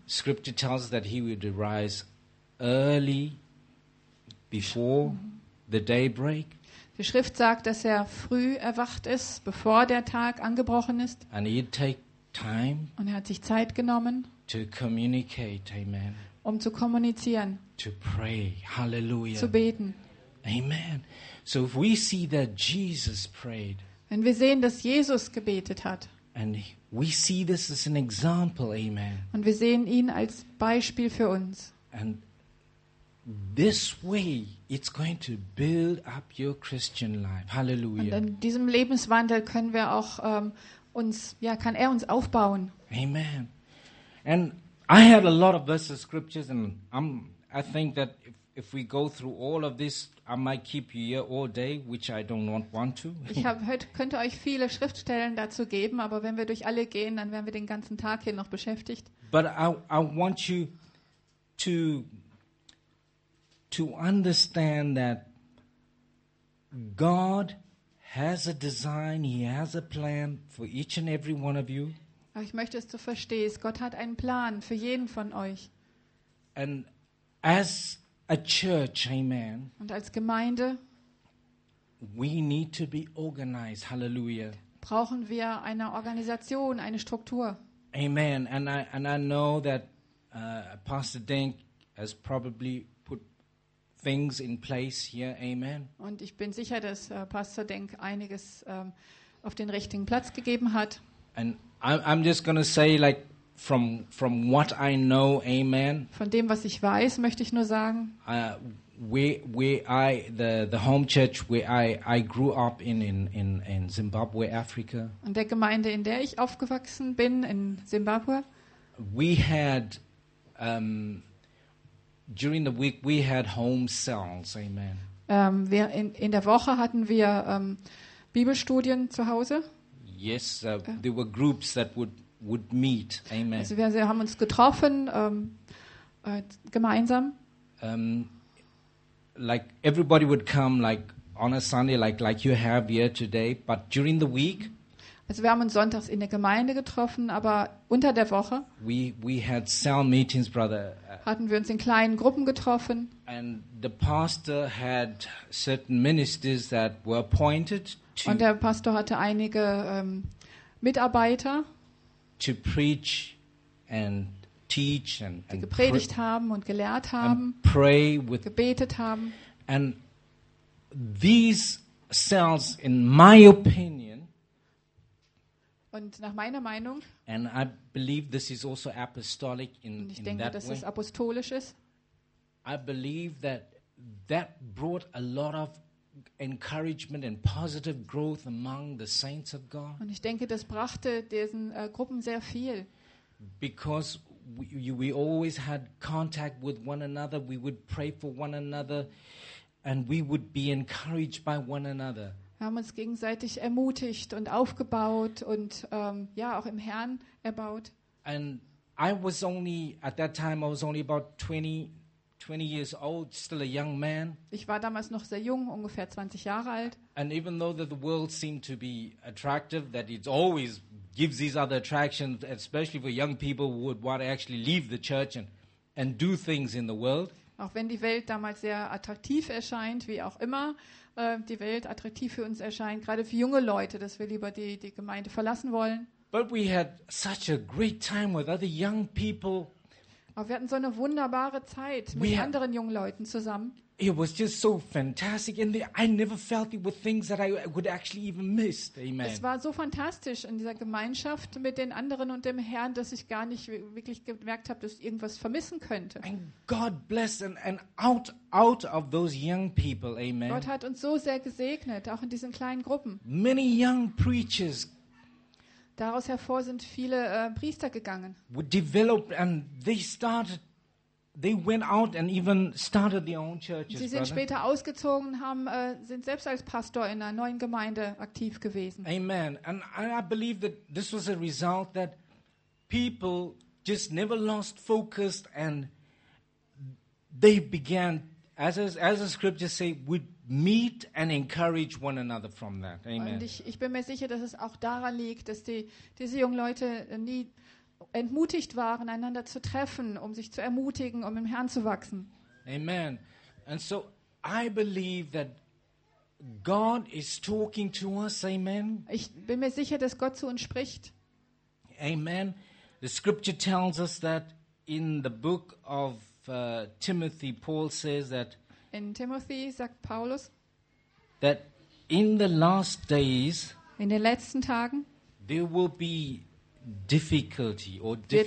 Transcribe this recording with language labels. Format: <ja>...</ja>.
<en>Scripture tells us that he would arise early before the daybreak.</en> <de>Die Schrift sagt, dass er früh erwacht ist, bevor der Tag angebrochen ist.</de> <en>And he'd take time.</en> <de>Und er hat sich Zeit genommen,</de> <en>to communicate, amen.</en> <de>Um zu kommunizieren.</de> <en>To pray, hallelujah.</en> <de>Zu beten.</de> <en>Amen. So if we see that Jesus prayed.</en> <de>Wenn wir sehen, dass Jesus gebetet hat.</de> <en>And we see this as an example, amen.</en> <de>Und wir sehen ihn als Beispiel für uns.</de> <en>And this way, it's going to build up your Christian life. Hallelujah.</en> <de>Und in diesem Lebenswandel können wir auch kann er uns aufbauen.</de> <en>Amen. And I had a lot of verses of scriptures, and I think that if we go through all of this, I might keep you here all day, which I don't want to.</en> <de>Könnte euch viele Schriftstellen dazu geben, aber wenn wir durch alle gehen, dann werden wir den ganzen Tag hier noch beschäftigt.</de> <en>But I want you to understand that God has a design, he has a plan for each and every one of you.</en> <de>Ich möchte, dass du verstehst, Gott hat einen Plan für jeden von euch.</de> <en>And as a church, amen.</en> <de>Und als Gemeinde,</de> <en>we need to be organized, hallelujah.</en> <de>Brauchen wir eine Organisation, eine Struktur.</de> <en>Amen. And I know that Pastor Denk has probably put things in place here, amen.</en> <de>Und ich bin sicher, dass Pastor Denk einiges auf den richtigen Platz gegeben hat.</de> <en>And I'm just gonna say, like, from what I know, amen.</en> <de>Von dem, was ich weiß, möchte ich nur sagen.</de> <en>The home church where I grew up in Zimbabwe, Africa.</en> <de>In der Gemeinde, in der ich aufgewachsen bin, in Zimbabwe.</de> <en>We had during the week we had home cells, amen.</en> <de>In der Woche hatten wir Bibelstudien zu Hause.</de> <en>Yes, there were groups that would meet. Amen.</en> <de>Also wir haben uns getroffen gemeinsam.</de> <en>Like everybody would come like on a Sunday like you have here today, but during the week.</en> <de>Also wir haben uns sonntags in der Gemeinde getroffen, aber unter der Woche.</de> <en>We had cell meetings, brother.</en> <de>Hatten wir uns in kleinen Gruppen getroffen.</de> <en>And the pastor had certain ministers that were appointed.</en> <de>Und der Pastor hatte einige Mitarbeiter,</de> <en>to preach and teach and</en> <de>die gepredigt haben und gelehrt haben,</de> <en>and pray with</en> <de>gebetet haben.</de> <en>And these cells, in my opinion,</en> <de>und nach meiner Meinung,</de> <en>and I believe this is also apostolic in</en> <de>ich denke,</de> <en>in that</en> <de>dass</de> <en>way,</en> <de>es apostolisch ist.</de> <en>I believe that brought a lot of encouragement and positive growth among the saints of God.</en> <de>Und ich denke, das brachte diesen Gruppen sehr viel.</de> <en>Because we always had contact with one another, we would pray for one another, and we would be encouraged by one another.</en> <de>Wir haben uns gegenseitig ermutigt und aufgebaut und auch im Herrn erbaut.</de> <en>And I was only at that time I was only about 20 years old, still a young man.</en> <de>Ich war damals noch sehr jung, ungefähr 20 Jahre alt.</de> <en>And even though the world seemed to be attractive, that it always gives these other attractions, especially for young people who would want to actually leave the church and do things in the world.</en> <de>Auch wenn die Welt damals sehr attraktiv erscheint, wie auch immer, die Welt attraktiv für uns erscheint, gerade für junge Leute, dass wir lieber die Gemeinde verlassen wollen.</de> <en>But we had such a great time with other young people.</en> <de>Aber wir hatten so eine wunderbare Zeit mit anderen jungen Leuten zusammen.</de> <en>It was just so fantastic, and I never felt it were things that I would actually even miss. Amen.</en> <de>Es war so fantastisch in dieser Gemeinschaft mit den anderen und dem Herrn, dass ich gar nicht wirklich gemerkt habe, dass ich irgendwas vermissen könnte.</de> <en>And God blessed and out of those young people, amen.</en> <de>Gott hat uns so sehr gesegnet, auch in diesen kleinen Gruppen.</de> <en>Many young preachers.</en> <de>Daraus hervor sind viele Priester gegangen.</de> <en>Developed and they started. They went out and even started their own churches.</en> <de>Sie sind später ausgezogen, sind selbst als Pastor in einer neuen Gemeinde aktiv gewesen.</de> <en>Amen. And I believe that this was a result that people just never lost focus and they began, as the scriptures say, would meet and encourage one another from that. Amen.</en> <de>Und ich bin mir sicher, dass es auch daran liegt, dass diese jungen Leute nie entmutigt waren, einander zu treffen, um sich zu ermutigen, um im Herrn zu wachsen.</de> <en>Amen. And so I believe that God is talking to us. Amen.</en> <de>Ich bin mir sicher, dass Gott zu uns spricht.</de> <en>Amen. The scripture tells us that in the book of Timothy, Paul says that</en> <de>in Timothy sagt Paulus,</de> <en>that in the last days,</en> <de>in den letzten Tagen,</de> <en>there will be difficulty or difficult</en>